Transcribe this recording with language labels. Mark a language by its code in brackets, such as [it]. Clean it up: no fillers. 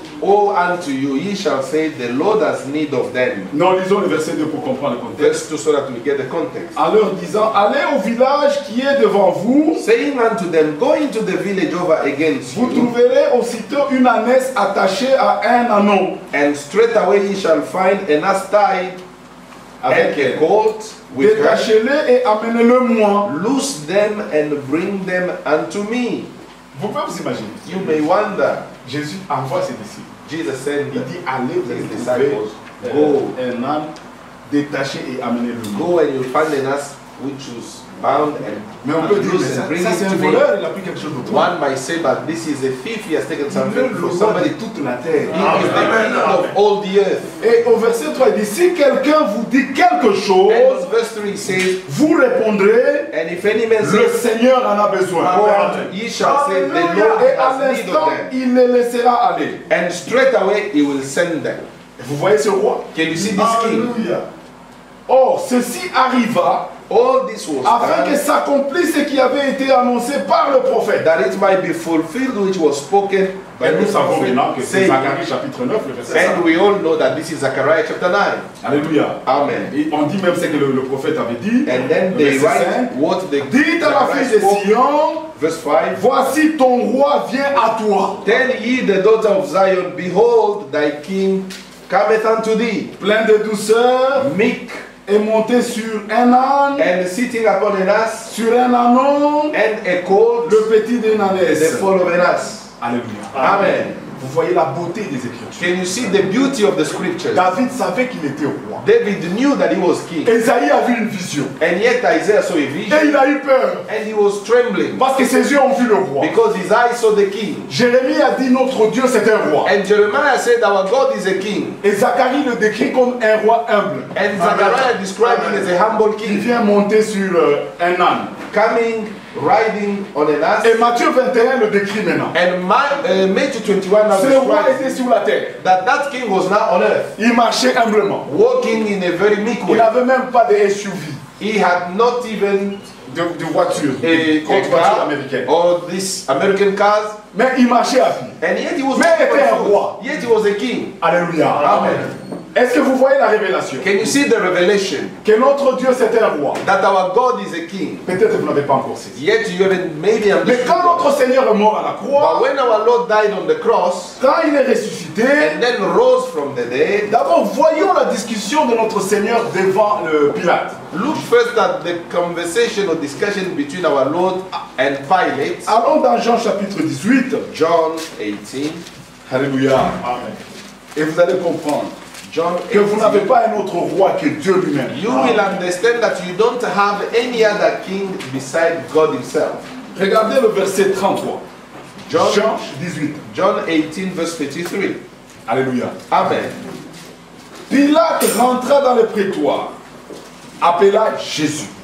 [en] Oh, unto you, ye shall say, the Lord has need of them. [fr] Non, lisons le verset 2 pour comprendre le contexte. [en] Verse 2, so that we get the context. [fr] En leur disant, allez au village qui est devant vous. [en] Saying unto them, go into the village over against [fr] vous Vous trouverez aussitôt une ânesse attachée à un anneau. [en] And straight away ye shall find an ass tied. [fr] Avec [en] a colt, [fr] détachez-les et amenez-le-moi. [en] Loose them and bring them unto me. [fr] Vous pouvez vous imaginer. [en] You may wonder. [fr] Jésus envoie ses disciples. [en] Jesus sent. [fr] Il dit, allez, vous allez trouver. [en] Go. [fr] Un âne, détachez et amenez-le-moi. [en] Go and you find an ass which is bound and [fr] mais on peut dire, ça c'est un voleur, il a pris quelque chose de toi. [en] One might say, but this is a thief, he has taken something from somebody. [fr] De toute la terre. [en] He is the king of all the earth. [fr] Et au verset 3, il dit, si quelqu'un vous dit quelque chose, [en] and verse 3 says, [fr] vous répondrez, [en] and if any man [fr] le Seigneur en a besoin. [en] He shall say, the Lord has need of them. [fr] Il les laissera aller. [en] And straight away, he will send them. [fr] Et vous voyez ce roi? [en] Can you see this king? [fr] Alléluia. Or, ceci arriva, [en] all this was [fr] afin que s'accomplisse ce qui avait été annoncé par le prophète. [en] That it might be fulfilled which was spoken by the prophet. [fr] Et nous savons maintenant que c'est Zacharie chapitre 9, le verset 5. [en] And we all know that this is Zechariah chapter 9. Alléluia. Amen. [fr] Et on dit même ce que le prophète avait dit. [en] And then [fr] le [en] they write 5, what the [fr] dit à la fille de Sion, [en] verse 5, [fr] voici ton roi vient à toi. [en] Tell ye the daughter of Zion, behold thy king cometh unto thee. [fr] Plein de douceur, [en] meek, [fr] et monté sur un âne, [en] and sitting upon an ass, [fr] sur un anneau, [en] and a colt, [fr] le petit d'une ânesse, [en] the foal of an ass. Alléluia. Amen. [fr] Vous voyez la beauté des Écritures. [en] Can you see the beauty of the Scriptures? [fr] David savait qu'il était au roi. [en] David knew that he was king. [fr] Esaïe a vu une vision. [en] And yet Isaiah saw a vision. [fr] Et il a eu peur. [en] And he was trembling. [fr] Parce que ses yeux ont vu le roi. [en] Because his eyes saw the king. [fr] Jérémie a dit notre Dieu c'est un roi. [en] And Jeremiah said our God is a king. [fr] Et Zacharie le décrit comme un roi humble. [en] And Zachariah described him as a humble king. [fr] Il vient monter sur un âne. [en] Coming riding on an ass. [fr] Et Matthieu 21 le décrit maintenant. [en] And Matthew 21 now describes. [fr] Ce roi était sur la terre. [en] That king was now on earth. [fr] Il marchait humblement. [en] Walking in a very meek way. [fr] Il n'avait même pas de SUV. [en] He had not even [fr] de voiture, voiture américaine. [en] Or this American cars. [fr] Mais il marchait à pied. [en] And yet he was. [fr] Mais était un roi. [en] Yet he was a king. Alléluia. Amen. [fr] Est-ce que vous voyez la révélation? [en] Can you see the revelation? [fr] Que notre Dieu c'est un roi. [en] That our God is a king. [fr] Peut-être vous n'avez pas encore saisi. [en] Yet you haven't maybe understood. [fr] Mais quand notre Seigneur est mort à la croix. [en] But when our Lord died on the cross. [fr] Quand il est ressuscité. [en] And then rose from the dead. [fr] D'abord voyons la discussion de notre Seigneur devant le Pilate. [en] Look first at the conversation or discussion between our Lord and Pilate. [fr] Allons dans Jean chapitre 18. [en] John 18. Alléluia. Amen. [fr] Et vous allez comprendre. [en] John, [fr] que vous n'avez pas un autre roi que Dieu lui-même. [en] You will understand that you don't have any other king beside God himself. [fr] Regardez le verset 33. Jean 18. [en] John 18, verse 33. Alléluia. Amen. [fr] Pilate rentra dans le prétoire, appela Jésus.